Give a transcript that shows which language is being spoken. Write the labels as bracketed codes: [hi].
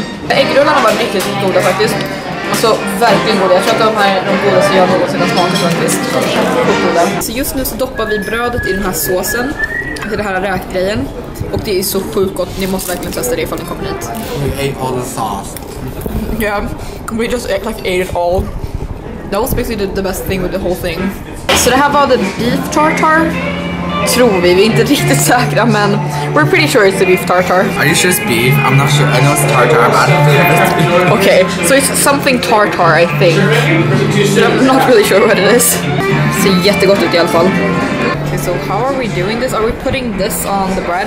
[sv] Äggrullarna var riktigt goda faktiskt. Alltså, verkligen goda. Jag tror att de här är de goda som jag någonsin har smakat faktiskt. Så just nu så doppar vi brödet i den här såsen. Till den här rökgrejen. Och det är så sjukt gott. Ni måste verkligen testa det ifall ni kommer hit. [en] We ate all the sauce. Yeah, we just ate, like, ate it all. That was basically the best thing with the whole thing. [sv] Så det här var [en] the beef tartar. [sv] Tror vi, inte riktigt säkra, men [en] we're pretty sure it's the beef tartar. Are you sure it's beef? I'm not sure. I know it's tartar, but I don't think it's beef. Okay, so it's something tartar, I think. But I'm not really sure what it is. [sv] Det ser jättegott ut i alla fall. [en] Okay, so how are we doing this? Are we putting this on the bread?